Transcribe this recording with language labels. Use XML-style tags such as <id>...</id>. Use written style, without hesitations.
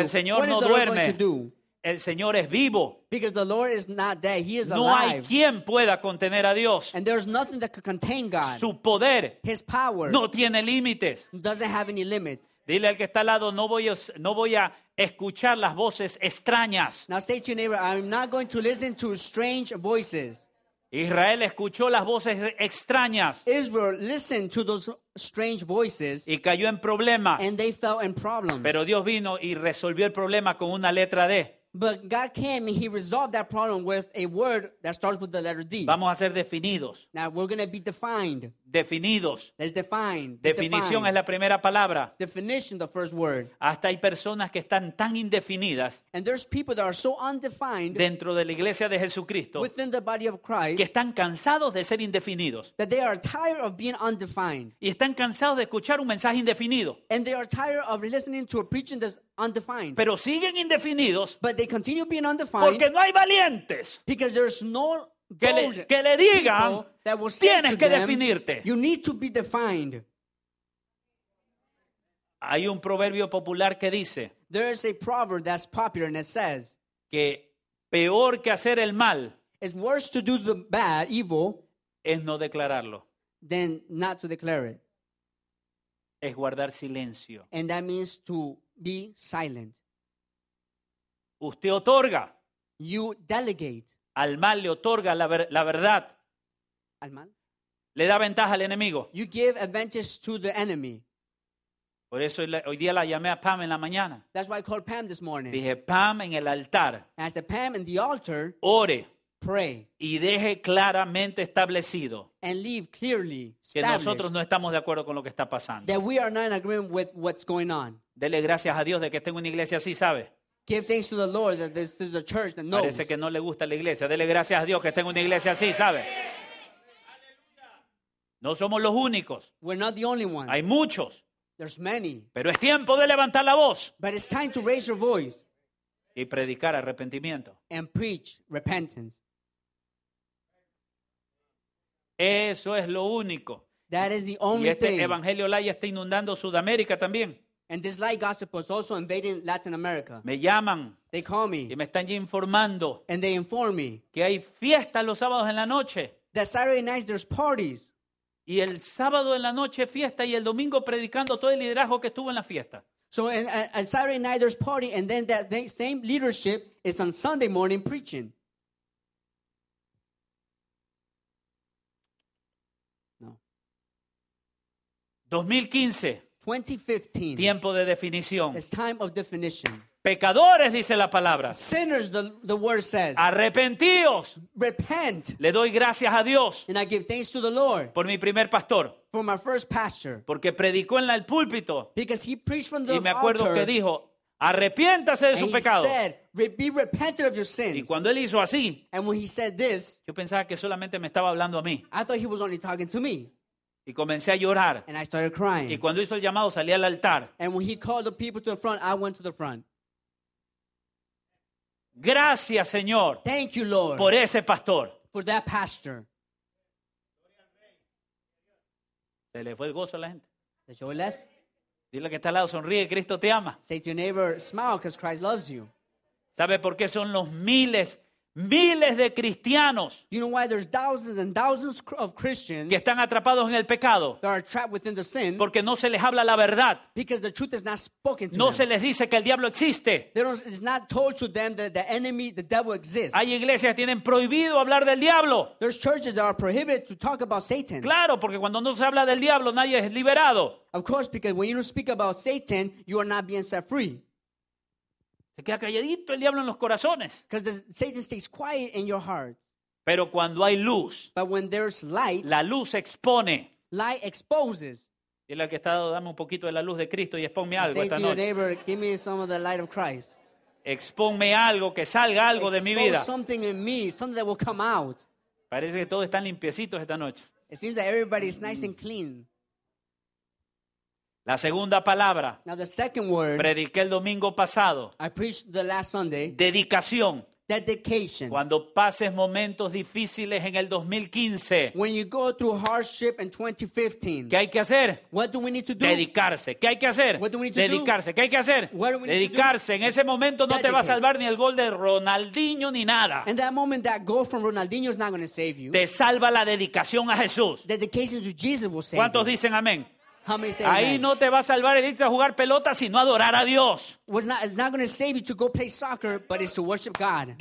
<es>el Señor no duerme. El Señor es vivo.</es> <en>Because the Lord is not dead. He is</en> <es>no</es> <en>alive.</en> <es>Hay quien pueda contener a Dios.</es> <en>And there's nothing that could contain God.</en> <es>Su poder.</es> <en>His power.</en> <es>No tiene límites.</es> <en>Doesn't have any limits.</en> <es>Dile al que está al lado, no voy a escuchar las voces extrañas.</es> <en>Now say to your neighbor, I'm not going to listen to strange voices.</en> <es>Israel escuchó las voces extrañas.</es> <en>Israel listened to those strange voices.</en> <es>Y cayó en problemas.</es> <en>And they fell in problems.</en> <es>Pero Dios vino y resolvió el problema con una letra D.</es> <en>But God came and he resolved that problem with a word that starts with the letter D.</en> <es>Vamos a ser definidos.</es> <en>Now we're going to be defined.</en> <es>Definidos.</es> <en>Let's define.</en> <es>Definición defined. Es la primera palabra.</es> <en>Definition, the first word.</en> <es>Hasta hay personas que están tan indefinidas.</es> <en>And there's people that are so undefined.</en> <es>Dentro de la iglesia de Jesucristo.</es> <en>Within the body of Christ.</en> <es>Que están cansados de ser indefinidos.</es> <en>That they are tired of being undefined.</en> <es>Y están cansados de escuchar un mensaje indefinido.</es> <en>And they are tired of listening to a preaching that's undefined.</en> <es>Pero siguen indefinidos.</es> <en>But they continue being undefined.</en> <es>Porque no hay valientes.</es> <en>Because there's no</en> <es>que le digan, tienes que</es> <en>them,</en> <es>definirte.</es> <en>You need to be defined.</en> <es>Hay un proverbio popular que dice.</es> <en>There is a proverb that's popular and it says.</en> <es>Que peor que hacer el mal.</es> <en>It's worse to do the bad, evil.</en> <es>Es no declararlo.</es> <en>Than not to declare it.</en> <es>Es guardar silencio.</es> <en>And that means to be silent.</en> <es>Usted otorga.</es> <en>You delegate.</en> <es>Al mal le otorga la verdad. Al mal. Le da ventaja al enemigo.</es> <en>You give advantage to the enemy.</en> <es>Por eso hoy día la llamé a Pam en la mañana.</es> <en>That's why I called Pam this morning.</en> <es>Dije, Pam en el altar.</es> <en>And I said, Pam in the altar.</en> <es>Ore.</es> <en>Pray.</en> <es>Y deje claramente establecido.</es> <en>And leave clearly established.</en> <es>Que nosotros no estamos de acuerdo con lo que está pasando.</es> <en>That we are not in agreement with what's going on.</en> <es>Dele gracias a Dios de que esté en una iglesia así, ¿sabe?</es> <en>Give thanks to the Lord that this is a church that knows.</en> <es>Parece que no le gusta la iglesia. Dele gracias a Dios que esté en una iglesia así, ¿sabe? No somos los únicos.</es> <en>We're not the only ones.</en> <es>Hay muchos.</es> <en>There's many.</en> <es>Pero es tiempo de levantar la voz.</es> <en>But it's time to raise your voice.</en> <es>Y predicar arrepentimiento.</es> <en>And preach repentance.</en> <es>Eso es lo único.</es> <en>That is the only thing. Y</en> <es>este Evangelio Light está inundando Sudamérica también.</es> <en>And this light gospel is also invading Latin America.</en> <es>Me llaman.</es> <en>They call me.</en> <es>Y me están informando.</es> <en>And they inform me.</en> <es>Que hay fiestas los sábados en la noche.</es> <en>That Saturday nights there's parties.</en> <es>Y el sábado en la noche fiesta y el domingo predicando todo el liderazgo que estuvo en la fiesta.</es> <en>So at Saturday night there's party and then that same leadership is on Sunday morning preaching.</en> <es>No. 2015. Tiempo de definición.</es> <en>It's time of definition.</en> <es>Pecadores, dice la palabra.</es> <en>Sinners, the word says.</en> <es>Arrepentíos.</es> <en>Repent.</en> <es>Le doy gracias a Dios.</es> <en>And I give thanks to the Lord.</en> <es>Por mi primer pastor.</es> <en>For my first pastor.</en> <es>Porque predicó en el púlpito.</es> <en>Because he preached from the altar.</en> <es>Y me acuerdo que dijo, arrepiéntase de su pecado.</es> <en>And he said, be repentant of your sins.</en> <es>Y cuando él hizo así.</es> <en>And when he said this.</en> <es>Yo pensaba que solamente me estaba hablando a mí.</es> <en>I thought he was only talking to me.</en> <es>Y comencé a llorar.</es> <en>And I started crying.</en> <es>Y cuando hizo el llamado, salí al altar.</es> <en>And when he called the people to the front, I went to the front.</en> <es>Gracias, Señor.</es> <en>Thank you, Lord.</en> <es>Por ese pastor.</es> <en>For that pastor.</en> <es>Se le fue el gozo a la gente.</es> <en>The joy left.</en> <es>Dile que está al lado, sonríe, Cristo te ama.</es> <en>Say to your neighbor, smile, because Christ loves you.</en> <es>¿Sabe por qué son los miles de cristianos?</es> <en>You know why there's thousands and thousands of Christians</en> <es>que están atrapados en el pecado.</es> <en>That are trapped within the sin.</en> <es>Porque no se les habla la verdad.</es> <en>Because the truth is not spoken to</en> <es>no</es> <en>them.</en> <es>Se les dice que el diablo existe.</es> <en>It's not told to them that the enemy, the devil exists.</en> <es>Hay iglesias que tienen prohibido hablar del diablo.</es> <en>There's churches that are prohibited to talk about Satan.</en> <es>Claro, porque cuando no se habla del diablo, nadie es liberado.</es> <en>Of course, because when you don't speak about Satan, you are not being set free.</en> <es>Se queda calladito el diablo en los corazones.</es> <en>Because Satan stays quiet in your heart.</en> <es>Pero cuando hay luz,</es> <en>but when there's light,</en> <es>la luz expone.</es> <en>Light exposes.</en> <es>Dile al que está, dame un poquito de la luz de Cristo y exponme algo</es> <en>say</en> <es>esta</es> <en>to</en> <es>noche.</es> <en>Your neighbor, give me some of the light of Christ.</en> <es>Exponme algo, que salga algo</es> <en>expose</en> <es>de mi vida.</es> <en>Expose something in me, something that will come out.</en> <es>Parece que todos están limpiecitos esta noche.</es> <en>It seems that everybody is nice and clean.</en> <es>La segunda palabra.</es> <en>Now the second word.</en> <es>Prediqué el domingo pasado.</es> <en>I preached the last Sunday.</en> <es>Dedicación.</es> <en>Dedication.</en> <es>Cuando pases momentos difíciles en el 2015.</es> <en>When you go through hardship in 2015.</en> <es>¿Qué hay que hacer?</es> <en>What do we need to do?</en> <es>Dedicarse. ¿Qué hay que hacer?</es> <en>What do we need to</en> <es>dedicarse.</es> <en>Do?</en> <es>¿Qué hay que hacer?</es> <en>What do we need</en> <es>dedicarse.</es> <en>To do?</en> <es>En ese momento no dedicate. Te va a salvar ni el gol de Ronaldinho ni nada.</es> <en>In that moment that goal from Ronaldinho is not going to save you.</en> <es>Te salva la dedicación a Jesús.</es> <en>Dedication to Jesus will save.</en> <es>¿Cuántos</es> <en>you?</en> <es>Dicen amén?</es> <en>How many say</en> <es>ahí</es> <en>amen?</en> <es>No te va a salvar el irte a jugar pelota, sino adorar a Dios.</es> <en>Well, it's not going to save you to go play soccer, but it's to worship God.</en>